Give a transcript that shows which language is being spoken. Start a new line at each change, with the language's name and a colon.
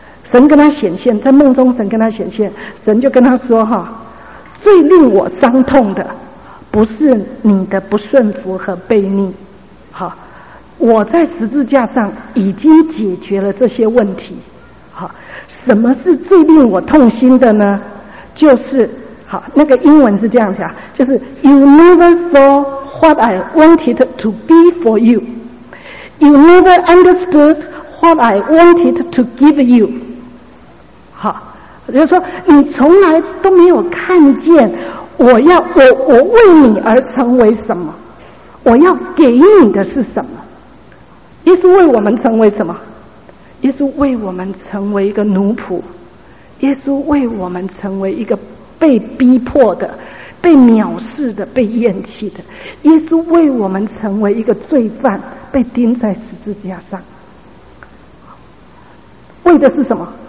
Chinese: 神跟他显现，在梦中神跟他显现，神就跟他说哈，最令我伤痛的不是你的不顺服和悖逆，好，我在十字架上已经解决了这些问题。好，什么是最令我痛心的呢？就是好，那个英文是这样讲，就是
English: You never saw what I wanted to be for you. You never understood what I wanted to give you.
Chinese: 好，就是说你从来都没有看见我为你而成为什么，我要给你的是什么。耶稣为我们成为什么？耶稣为我们成为一个奴仆，耶稣为我们成为一个被逼迫的、被藐视的、被厌弃的，耶稣为我们成为一个罪犯，被钉在十字架上，为的是什么？